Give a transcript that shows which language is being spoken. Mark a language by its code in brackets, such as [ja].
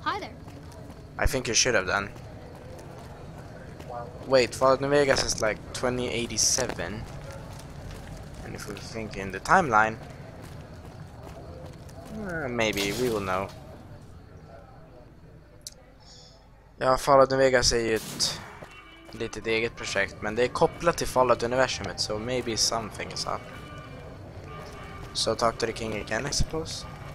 [en] Hi there. I think you should have done. Wait, Fallout New Vegas is like 2087. And if we think in the timeline, maybe we will know. [sv] Ja, Fallout New Vegas är ju ett litet eget projekt, men det är kopplat till Fallout universumet, [en] so maybe something is up. So talk to the king again, I suppose.